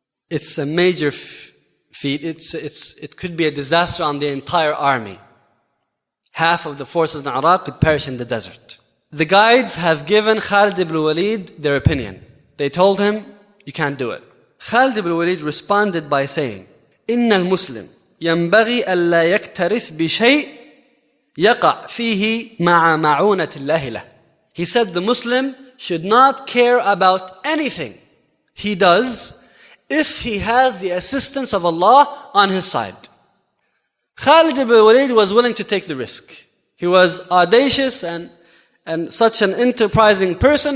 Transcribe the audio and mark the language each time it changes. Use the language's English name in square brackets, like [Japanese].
[English] It's a major feat. It could be a disaster on the entire army. Half of the forces in Iraq could perish in the desert. The guides have given Khalid ibn Walid their opinion. They told him, you can't do it. Khalid ibn Walid responded by saying, [Arabic] إِنَّ الْمُسْلِمِ يَنْبَغِي أَلَّا يَكْتَرِثْ بِشَيْءٍ يَقَعْ فِيهِ مَعَ مَعُونَةِ اللَّهِ لَهِ. [English] He said the Muslim should not care about anything he does if he has the assistance of Allah on his side. Khalid ibn Walid was willing to take the risk. He was audacious and such an enterprising person.